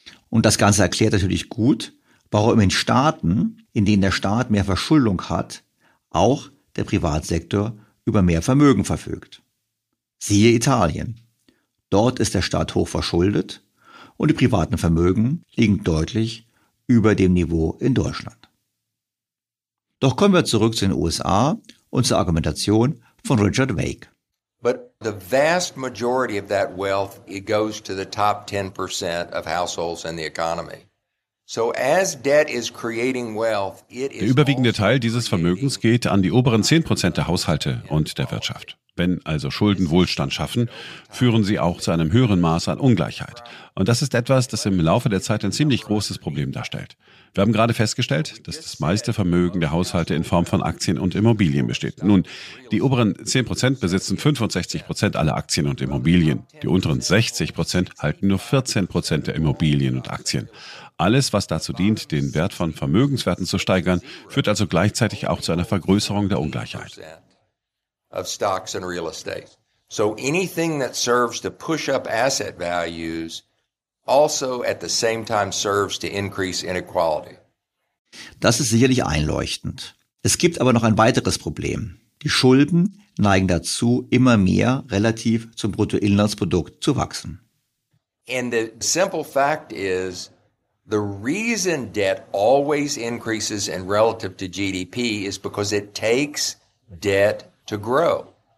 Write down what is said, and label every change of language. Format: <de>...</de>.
<de>Und das Ganze erklärt natürlich gut, warum in Staaten, in denen der Staat mehr Verschuldung hat, auch der Privatsektor über mehr Vermögen verfügt. Siehe Italien. Dort ist der Staat hoch verschuldet und die privaten Vermögen liegen deutlich über dem Niveau in Deutschland. Doch kommen wir zurück zu den USA und zur Argumentation von Richard Wake.</de> <en>But the vast majority of that wealth, it goes to the top 10% of households in the economy. So as debt is creating wealth, it is</en> <de>der überwiegende Teil dieses Vermögens geht an die oberen 10% der Haushalte und der Wirtschaft. Wenn also Schulden Wohlstand schaffen, führen sie auch zu einem höheren Maß an Ungleichheit. Und das ist etwas, das im Laufe der Zeit ein ziemlich großes Problem darstellt. Wir haben gerade festgestellt, dass das meiste Vermögen der Haushalte in Form von Aktien und Immobilien besteht. Nun, die oberen 10% besitzen 65% aller Aktien und Immobilien. Die unteren 60% halten nur 14% der Immobilien und Aktien. Alles, was dazu dient, den Wert von Vermögenswerten zu steigern, führt also gleichzeitig auch zu einer Vergrößerung der Ungleichheit.</de> <en>Of stocks and real estate. So anything that serves to push up asset values also at the same time serves to increase inequality.</en> <de>Das ist sicherlich einleuchtend. Es gibt aber noch ein weiteres Problem. Die Schulden neigen dazu, immer mehr relativ zum Bruttoinlandsprodukt zu wachsen.</de> <en>And the simple fact is, the reason debt always increases in relative to GDP is because it takes debt to grow.</en>